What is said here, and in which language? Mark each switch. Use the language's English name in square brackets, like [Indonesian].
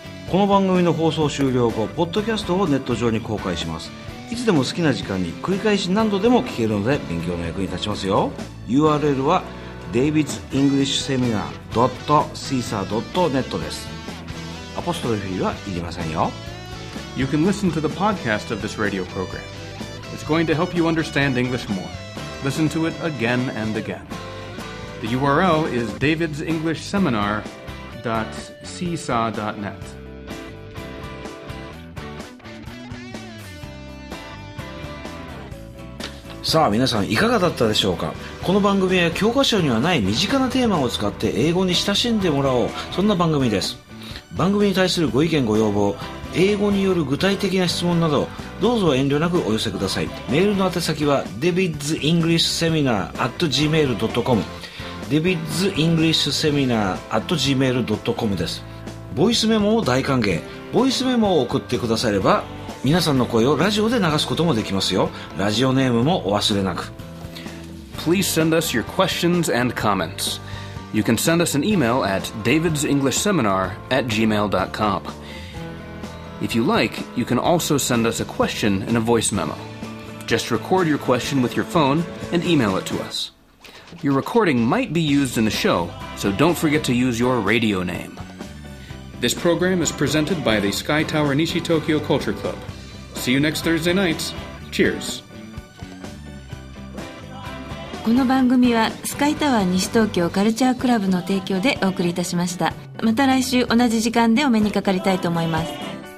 [Japanese] この番組の放送終了後、ポッドキャストをネット上に公開します。いつでも好きな時間に繰り返し何度でも聞けるので勉強の役に立ちますよ。 URL はDavid's English Seminar.caesar.net です。アポストロフィーはいりませんよ。 [English] You can listen to the podcast of this radio program. It's going to help you understand English more. Listen to it again and again. The URL is David's English Seminar.caesar.net. [Japanese] さあ、皆さんいかがだったでしょうか。この番組は教科書にはない身近なテーマを使って英語に親しんでもらおう、そんな番組です。番組に対するご意見ご要望、英語による具体的な質問など、どうぞ遠慮なくお寄せください。メールの宛先は davidsenglishseminar@gmail.com davidsenglishseminar@gmail.com です。ボイスメモも大歓迎。ボイスメモを送ってくだされば、皆さんの声をラジオで流すこともできますよ。ラジオネームもお忘れなく。 [English] Please send us your questions and comments. You can send us an email at davidsenglishseminar@gmail.com. If you like, you can also send us a question in a voice memo. Just record your question with your phone and email it to us. Your recording might be used in the show, so don't forget to use your radio name. This program is presented by the Sky Tower Nishi Tokyo Culture Club. See you next Thursday night. Cheers! [Japanese] この番組はスカイタワー西東京カルチャークラブの提供でお送りいたしました。また来週同じ時間でお目にかかりたいと思います。